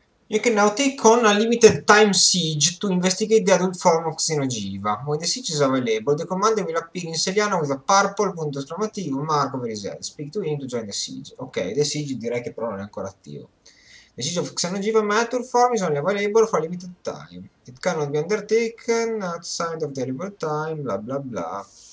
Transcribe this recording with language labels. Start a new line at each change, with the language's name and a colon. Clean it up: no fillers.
English: You can now take on a limited time siege to investigate the adult form of Xenogeva. When the siege is available, the commander will appear in Seliana with a purple
Italian: punto esclamativo
English: mark of reserve. Speak to him to join the siege.
Italian: Ok,
English: the siege
Italian: direi che però non è ancora attivo.
English: The Siege of Xenogeva Mature Form is only available for a limited time. It cannot be undertaken outside of the available time, bla bla bla.